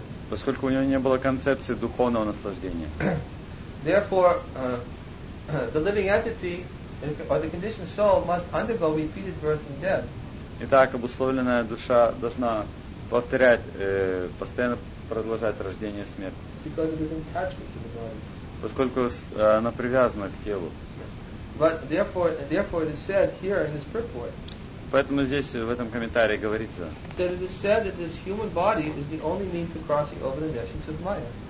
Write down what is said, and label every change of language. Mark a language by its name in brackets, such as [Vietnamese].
[Russian] Поскольку у него не было концепции духовного наслаждения. [English] Therefore, the living entity or the conditioned soul must undergo repeated birth and death. [Russian] Итак, обусловленная душа должна повторять, постоянно продолжать рождение и смерть. [English] Because of his attachment to the body. [Russian] Поскольку она привязана к телу. [English] But therefore it is said here in this purport. [Russian] Поэтому здесь в этом комментарии говорится. [English] That it is said that this human body is the only means for crossing over the nations of Maya.